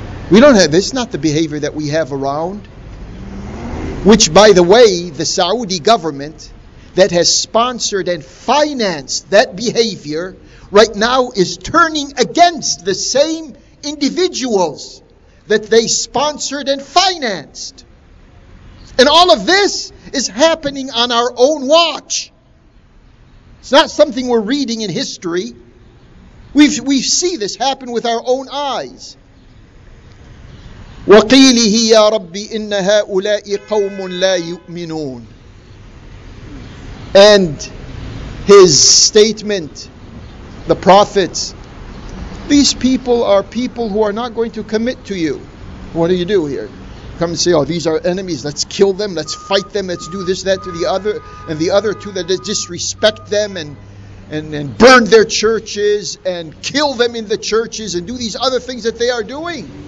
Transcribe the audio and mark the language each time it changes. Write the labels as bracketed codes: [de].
[en] We don't have, it's not the behavior that we have around. Which, by the way, the Saudi government that has sponsored and financed that behavior right now is turning against the same individuals that they sponsored and financed. And all of this is happening on our own watch. It's not something we're reading in history. We see this happen with our own eyes. [ar] وقيله يا ربي إن هؤلاء قوم لا يؤمنون. [en] And his statement, the prophets, these people are people who are not going to commit to you. What do you do here? Come and say, oh, these are enemies, let's kill them, let's fight them, let's do this, that, to the other, and the other two, that disrespect them and burn their churches and kill them in the churches and do these other things that they are doing.